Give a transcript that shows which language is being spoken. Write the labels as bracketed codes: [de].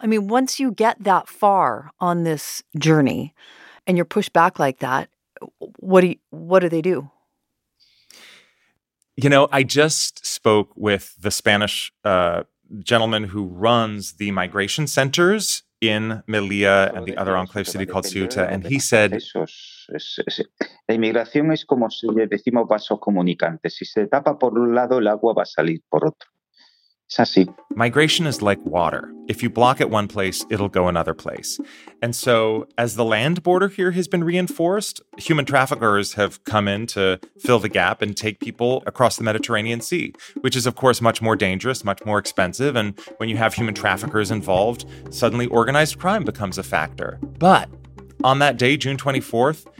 [en] I mean, once you get that far on this journey and you're pushed back like that, what do they do? You know, I just spoke with the Spanish gentleman who runs the migration centers in Melilla and the other enclave city called Ceuta, and he said, [es] "La inmigración es como si le decimos vasos comunicantes. Si se tapa por un lado, el agua va a salir por otro. Es así." [en] Migration is like water. If you block it one place, it'll go another place. And so, as the land border here has been reinforced, human traffickers have come in to fill the gap and take people across the Mediterranean Sea, which is, of course, much more dangerous, much more expensive. And when you have human traffickers involved, suddenly organized crime becomes a factor. But on that day, June 24th,